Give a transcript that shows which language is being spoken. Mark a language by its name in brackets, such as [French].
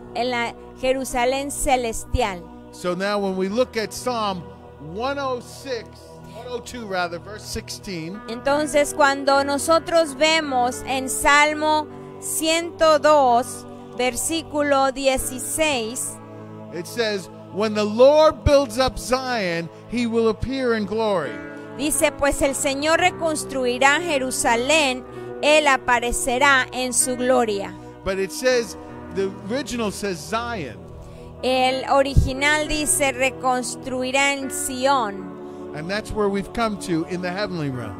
[Spanish] En la Jerusalén celestial. [English] So now when we look at Psalm 102, verse 16. [Spanish] Entonces, cuando nosotros vemos en Salmo 102, versículo 16, [English] it says, "When the Lord builds up Zion, He will appear in glory." [Spanish] Dice, pues el Señor reconstruirá Jerusalén, Él aparecerá en su gloria. [English] But it says, the original says Zion. [Spanish] El original dice, reconstruirá en Sion. [English] And that's where we've come to in the heavenly realm.